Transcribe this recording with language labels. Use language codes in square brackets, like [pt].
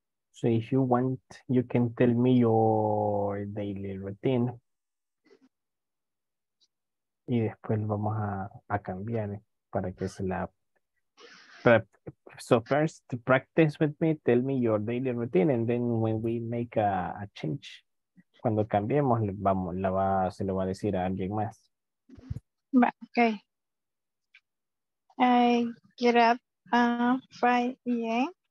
[en] So if you want, you can tell me your daily routine. [es] Y después vamos a cambiar para que se la... [en] So first, to practice with me, tell me your daily routine. And then when we make a change, [es] cuando cambiemos, vamos, la va, se lo va a decir a alguien más. [en] Okay. I get up at 5 a.m.